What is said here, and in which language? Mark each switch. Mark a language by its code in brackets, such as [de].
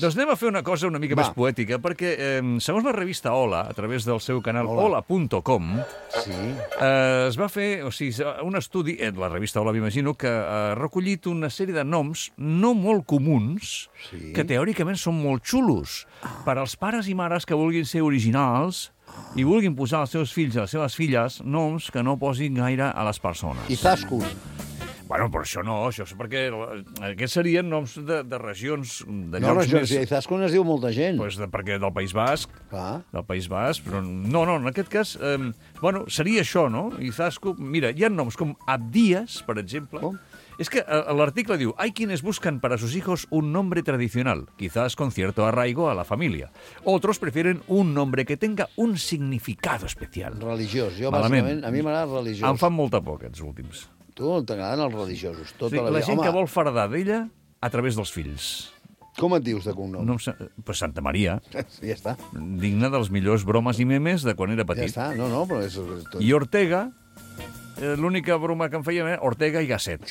[ca] Doncs anem a fer una cosa una mica més poètica, perquè segons la revista Hola, a través del seu canal hola.com, es va fer un estudi, la revista Hola, m'imagino, que ha recollit una sèrie de noms no molt comuns, que teòricament són molt xulos, per als pares i mares que vulguin ser originals i vulguin posar als seus fills i les seves filles noms que no posin gaire a les persones. I zascos. Bueno, però això no, això és perquè aquests serien noms de regions, de llocs regions, més... No, regions, i saps com es diu molta gent? Pues perquè del País Basc, del País Basc, però no, en aquest cas, bueno, seria això, no? I saps com... Mira, hi ha noms com Abdías, per exemple. Com? És que l'article diu: [es] "Hay quienes buscan para sus hijos un nombre tradicional, quizás con cierto arraigo a la familia. Otros prefieren un nombre que tenga un significado especial." [ca] Religiós, jo, malament. Bàsicament, a mi m'agrada religiós. Em fan molta por, aquests últims. Tu t'agraden els religiosos, tota la vida. La gent que vol fardar d'ella a través dels fills. Com et dius de cognom? No, pues Santa Maria. Sí, ja està. Digna dels millors bromes i memes de quan era petit. Ja està, no, però és... Tot... I Ortega, l'única broma que em feia era Ortega i Gasset.